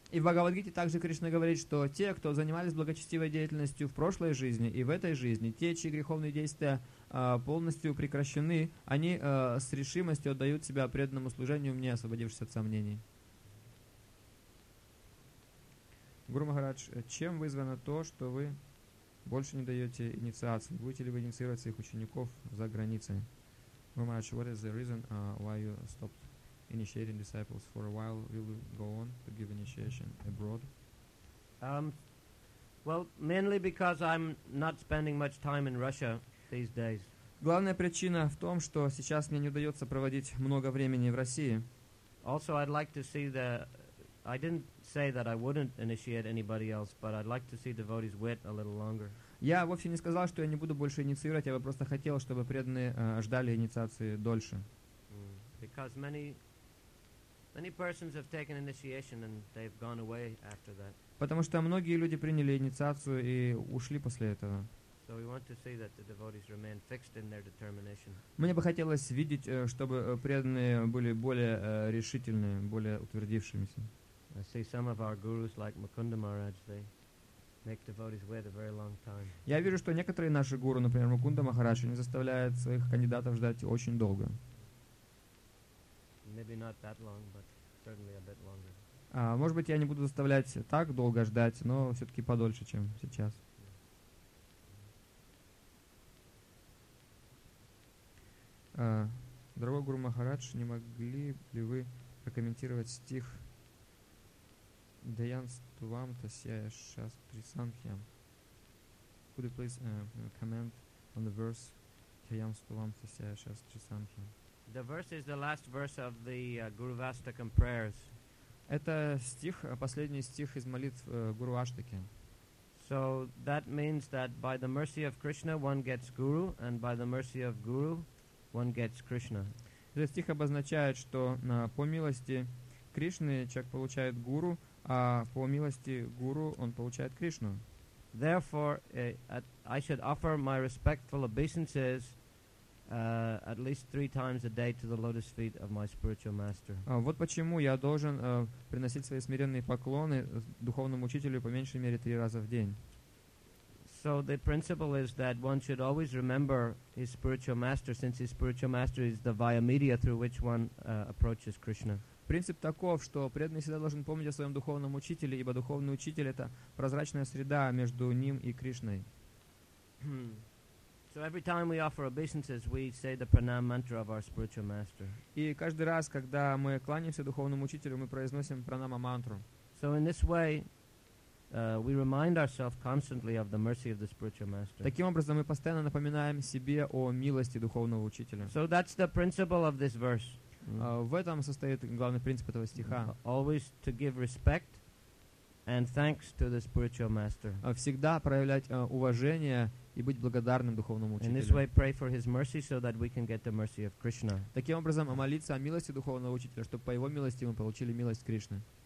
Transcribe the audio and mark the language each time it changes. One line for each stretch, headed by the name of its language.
Russian: И в Бхагавадгите также Кришна говорит, что те, кто занимались благочестивой деятельностью в прошлой жизни и в этой жизни, те, чьи греховные действия полностью прекращены, они с решимостью отдают себя преданному служению мне, освободившись от сомнений. Гуру Махарадж, чем вызвано то, что вы больше не даете инициации? Будете ли вы инициировать своих учеников за границей?
English: Гуру Махарадж, what is the reason why you stopped initiating disciples for a while? Will you go on to give initiation abroad? Well, mainly because I'm not spending much time in Russia these days.
Russian: Главная причина в том, что сейчас мне не удается проводить много времени в России.
English: Also, I'd like to see the... I didn't say that I wouldn't initiate anybody else, but I'd like to see devotees wait a little longer.
Russian: Я вовсе не сказал, что я не буду больше инициировать, я бы просто хотел, чтобы преданные ждали инициации дольше.
English: Because many persons have taken initiation and they've gone away after that.
Russian: Потому что многие люди приняли инициацию и ушли после этого.
English: So we want to see that the devotees remain fixed in their determination.
Russian: Мне бы хотелось видеть, чтобы преданные были более решительные, более утвердившимися.
English: I see some of our gurus like Mukunda Maharaj, they make devotees wait a very long time.
Russian: Я вижу, что некоторые наши гуру, например, Мукунда Махарадж, они заставляют своих кандидатов ждать очень долго.
English: Maybe not that long, but certainly a bit longer.
Russian: Может быть, я не буду заставлять так долго ждать, но все-таки подольше, чем сейчас. Дорогой Гуру Махарадж, не могли ли вы прокомментировать стих Dayan Stuvam Tasyaya Shastri Sankhyam?
English: Could you please comment on the verse Dayan Stuvam Tasyaya Shastri Sankhyam? The verse is the last verse of the Guru Vastakam prayers.
Russian: Это стих, последний стих из молитв Гуру Аштаки.
English: So that means that by the mercy of Krishna one gets Guru, and by the mercy of Guru one gets Krishna.
Russian: Этот стих обозначает, что по милости Кришны человек получает Гуру, а по милости Гуру он получает Кришну.
English: Therefore, I should offer my respectful obeisances at least three times a day to the lotus feet of my spiritual master.
Russian: Вот почему я должен приносить свои смиренные поклоны духовному учителю по меньшей мере три раза в день.
English: So the principle is that one should always remember his spiritual master, since his spiritual master is the via media through which one approaches Krishna.
Russian: Принцип таков, что преданный всегда должен помнить о своем духовном учителе, ибо духовный учитель — это прозрачная среда между ним и Кришной.
English: So every time we offer obeisances, we say the pranam mantra of our spiritual master.
Russian: И каждый раз, когда мы кланяемся духовному учителю, мы произносим пранама мантру.
English: So in this way, we remind ourselves constantly of the mercy of the spiritual master.
Russian: Таким образом, мы постоянно напоминаем себе о милости духовного учителя.
English: So that's the principle of this verse.
Russian: В этом состоит главный принцип этого стиха.
English: Always to give respect and thanks to the spiritual master.
Russian: Всегда проявлять уважение и быть благодарным духовному учителю.
English: In this way, pray for his mercy so that we can get the mercy of Krishna.
Russian: Таким образом, молиться о милости духовного учителя, чтобы по его милости мы получили милость Кришны.